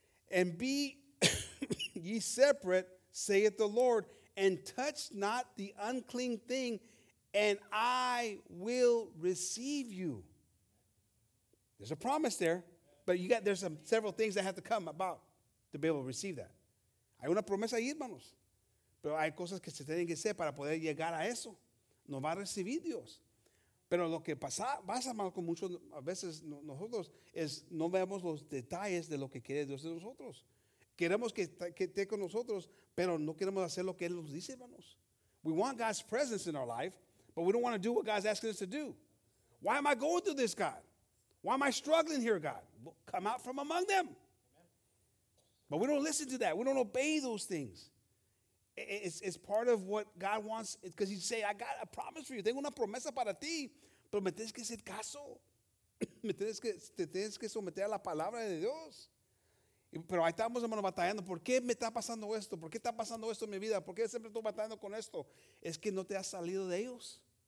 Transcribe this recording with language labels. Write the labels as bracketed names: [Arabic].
[English] And be ye separate, saith the Lord, and touch not the unclean thing, and I will receive you. There's a promise there, but there's several things that have to come about to be able to receive that. [Spanish] Hay una promesa ahí, hermanos. Pero hay cosas que se tienen que hacer para poder llegar a eso. No va a recibir Dios. Pero lo que pasa mal con muchos, a veces nosotros, es no vemos los detalles de lo que quiere Dios de nosotros. Queremos que esté con nosotros, pero no queremos hacer lo que Él nos dice, hermanos. [English] We want God's presence in our life, but we don't want to do what God's asking us to do. Why am I going through this, God? Why am I struggling here, God? Come out from among them. But we don't listen to that. We don't obey those things. It's part of what God wants, because he's saying, I got a promise for you. [Spanish] Tengo una promesa para ti, pero me tienes que hacer caso. Te tienes que someter a la palabra de Dios. Pero ahí estamos, hermano, batallando. ¿Por qué me está pasando esto? ¿Por qué está pasando esto en mi vida? ¿Por qué siempre estoy batallando con esto? Es que no te has salido de ellos.